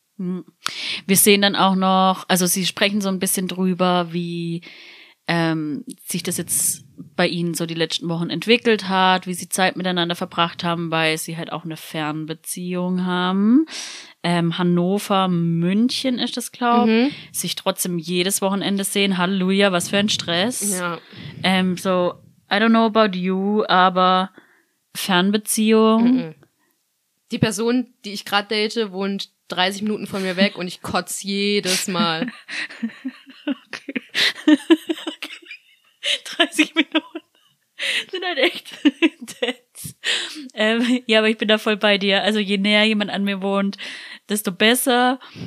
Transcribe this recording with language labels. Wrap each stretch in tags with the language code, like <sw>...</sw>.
<de>Wir sehen dann auch noch, also sie sprechen so ein bisschen drüber, wie sich das jetzt bei ihnen so die letzten Wochen entwickelt hat, wie sie Zeit miteinander verbracht haben, weil sie halt auch eine Fernbeziehung haben. Hannover, München ist das, glaube ich. Mhm. Sich trotzdem jedes Wochenende sehen. Halleluja, was für ein Stress. Ja.</de> <en>So, I don't know about you,</en> <de>aber Fernbeziehung. Mhm. Die Person, die ich gerade date, wohnt 30 Minuten von mir weg und ich kotze jedes Mal. Okay. 30 Minuten sind halt echt intense. Ja, aber ich bin da voll bei dir. Also je näher jemand an mir wohnt, desto besser.</de>